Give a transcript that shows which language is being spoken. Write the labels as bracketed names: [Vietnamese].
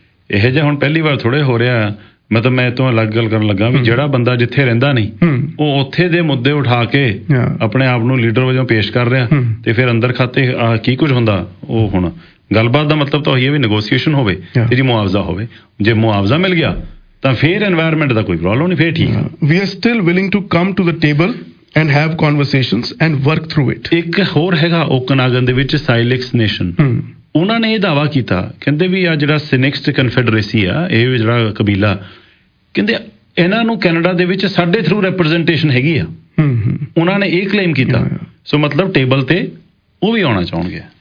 [Punjabi] ਇਹੋ ਜਿਹਾ ਹੁਣ ਪਹਿਲੀ ਵਾਰ ਥੋੜ੍ਹੇ ਹੋ ਰਿਹਾ, ਮਤਲਬ ਮੈਂ ਇਹ ਤੋਂ ਅਲੱਗ ਗੱਲ ਕਰਨ ਲੱਗਾ ਵੀ ਜਿਹੜਾ ਬੰਦਾ ਜਿੱਥੇ ਰਹਿੰਦਾ ਨਹੀਂ ਉਹ ਉੱਥੇ ਦੇ ਮੁੱਦੇ ਉਠਾ ਕੇ ਆਪਣੇ ਆਪ ਨੂੰ ਲੀਡਰ ਵਜੋਂ ਪੇਸ਼ ਕਰ ਰਿਹਾ ਅਤੇ ਫਿਰ ਅੰਦਰ ਖਾਤੇ ਕੀ ਕੁਝ ਹੁੰਦਾ ਉਹ ਹੁਣ। ਗੱਲਬਾਤ ਦਾ ਮਤਲਬ ਤਾਂ ਉਹੀ ਹੈ ਵੀ ਨੈਗੋਸੀਏਸ਼ਨ ਹੋਵੇ ਅਤੇ ਜੀ ਮੁਆਵਜ਼ਾ ਹੋਵੇ। ਜੇ ਮੁਆਵਜ਼ਾ ਮਿਲ ਗਿਆ ਤਾਂ ਫਿਰ ਇਨਵਾਇਰਮੈਂਟ ਦਾ ਕੋਈ ਪ੍ਰੋਬਲਮ ਨਹੀਂ, ਫਿਰ ਠੀਕ ਆ। [English] We are still willing to come to the table and have conversations and work through it. [Punjabi] ਇੱਕ ਹੋਰ ਹੈਗਾ ਓਕਨਾਗਨ ਦੇ ਵਿੱਚ ਸਾਈਲਿਕਸ ਨੇਸ਼ਨ, ਉਹਨਾਂ ਨੇ ਇਹ ਦਾਅਵਾ ਕੀਤਾ, ਕਹਿੰਦੇ ਵੀ ਆ ਜਿਹੜਾ ਸਿਨਿਕਸ ਕਨਫੈਡਰੇਸੀ ਆ ਇਹ ਜਿਹੜਾ ਕਬੀਲਾ, ਕਹਿੰਦੇ ਇਹਨਾਂ ਨੂੰ ਕੈਨੇਡਾ ਦੇ ਵਿੱਚ ਸਾਡੇ ਥਰੂ ਰੈਪ੍ਰਜੈਂਟੇਸ਼ਨ ਹੈਗੀ ਆ, ਉਹਨਾਂ ਨੇ ਇਹ ਕਲੇਮ ਕੀਤਾ, ਸੋ ਮਤਲਬ ਟੇਬਲ 'ਤੇ ਉਹ ਵੀ ਆਉਣਾ ਚਾਹੁੰਗੇ।